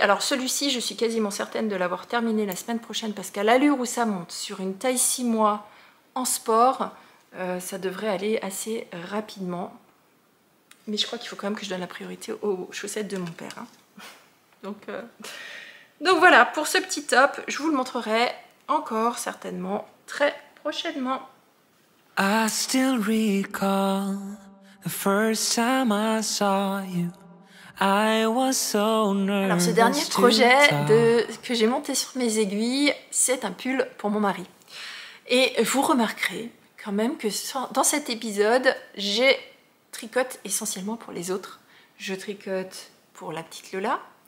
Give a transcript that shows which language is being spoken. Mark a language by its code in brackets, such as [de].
[fr] Alors celui-ci, je suis quasiment certaine de l'avoir terminé la semaine prochaine parce qu'à l'allure où ça monte, sur une taille 6 mois en sport, ça devrait aller assez rapidement. Mais je crois qu'il faut quand même que je donne la priorité aux chaussettes de mon père. Hein. Donc voilà, pour ce petit top, je vous le montrerai encore certainement très prochainement. [en] I still recall the first time I saw you. I was so nervous. [fr] Alors ce dernier projet que j'ai monté sur mes aiguilles, c'est un pull pour mon mari. Et vous remarquerez quand même que dans cet épisode, j'ai tricote essentiellement pour les autres. Je tricote pour la petite Lola.